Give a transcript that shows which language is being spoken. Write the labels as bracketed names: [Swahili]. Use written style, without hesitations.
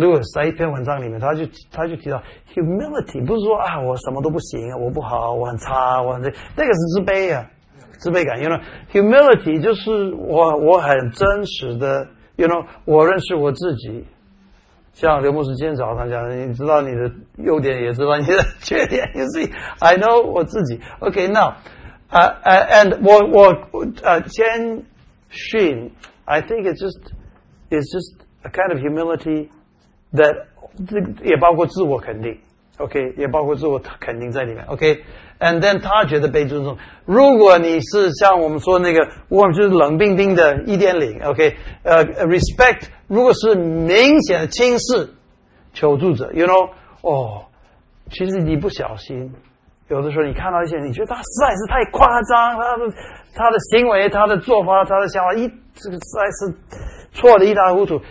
[Chinese] Lewis 在一篇文章里面，他就提到 humility 不是说啊我什么都不行，我不好，我很差，我很这那个是自卑啊，自卑感。 [English] You know， [Chinese] humility 就是我很真实的 ，you know， 我认识我自己。像刘牧师今天早上讲，你知道你的优点，也知道你的缺点。 [English] You see, I know [Chinese] 我自己。 [English] Okay, now, and [Chinese] 我谦逊 [English] ，I think it's just a kind of humility that [Chinese] 也包括自我肯定。 [English] Okay, [Chinese] 也包括自我肯定在里面。 [English] Okay, and then [Chinese] 他觉得被尊重。如果你是像我们说那个，我们就是冷冰冰的 1.0。 [English] Okay, respect。 [Chinese] 如果是明显的轻视求助者 ， [English] you know， [Chinese] 哦，其实你不小心，有的时候你看到一些，你觉得他实在是太夸张，他的行为、他的做法、他的想法，这个实在是错的一塌糊涂。